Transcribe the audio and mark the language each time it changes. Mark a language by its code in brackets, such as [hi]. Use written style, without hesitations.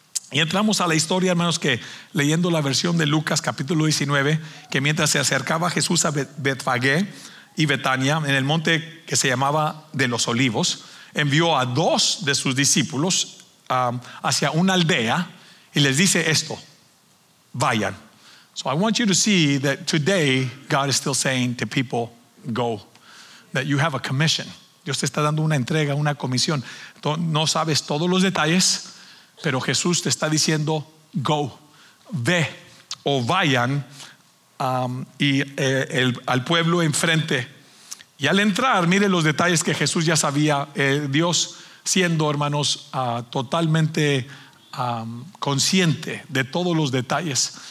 [es] Y entramos a la historia, hermanos, que leyendo la versión de Lucas capítulo 19, que mientras se acercaba Jesús a Betfagé y Betania, en el monte que se llamaba de los Olivos, envió a dos de sus discípulos hacia una aldea y les dice esto: vayan. [en] So I want you to see that today God is still saying to people, go, that you have a commission. [es] Dios te está dando una entrega, una comisión. No sabes todos los detalles, pero Jesús te está diciendo, go, ve o vayan al pueblo enfrente. Y al entrar, mire los detalles que Jesús ya sabía, Dios siendo, hermanos, totalmente consciente de todos los detalles.